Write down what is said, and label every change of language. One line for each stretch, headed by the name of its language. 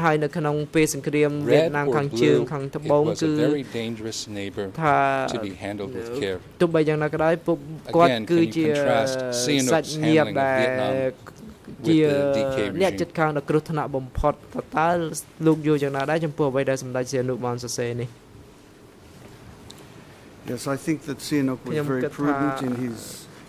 Khmer: ហើយនៅក្នុងពេលសង្គ្រាមវៀតណាមខាងជើងខាងត្បូងគឺ
English: very dangerous neighbor to be handled with care.
Khmer: ទោះបីយ៉ាងណាក៏ដោយពួកគាត់គឺជា សាច់ញាតិដែល ជាអ្នកចិត្តខាងដល់គ្រោះថ្នាក់បំផុតតតើលោកយល់យ៉ាងណាដែរចំពោះអ្វីដែលសម្ដេចសៀនុបានសរសេរនេះ
English: Yes, I think that Sihanouk was very prudent in his